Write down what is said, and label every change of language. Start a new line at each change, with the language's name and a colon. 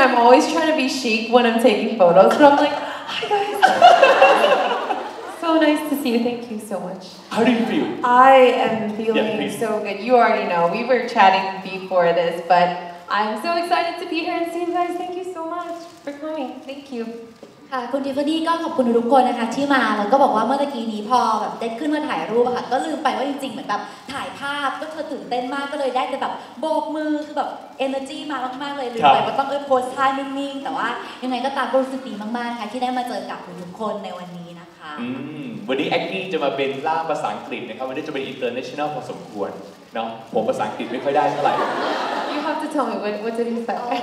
English: when I'm taking photos, but I'm like, hi guys. So nice to see you. Thank you so much. How do you feel? I am feeling so good. You already know. We were chatting before this, but I'm so excited to be here and see you guys. Thank you so much for coming. Thank you.
Thai: ค่ะคุณทิฟฟานี่ก็ขอบคุณทุกคนนะคะที่มาแล้วก็บอกว่าเมื่อกี้นี้พอแบบได้ขึ้นมาถ่ายรูปค่ะก็ลืมไปว่าจริงๆเหมือนแบบถ่ายภาพก็เธอตื่นเต้นมากก็เลยได้แต่แบบโบกมือคือแบบเอเนอร์จีมามากๆเลยลืมไปว่าต้องโพสท่านิ่งๆแต่ว่ายังไงก็ตามก็รู้สึกดีมากๆค่ะที่ได้มาเจอกับทุกคนในวันนี้นะคะ วันนี้แอคกี้จะมาเป็นล่ามภาษาอังกฤษนะครับวันนี้จะเป็นอินเตอร์เนชั่นแนลพอสมควรเนาะผมภาษาอังกฤษไม่ค่อยได้เท่าไหร่
English: You have to tell me what did you say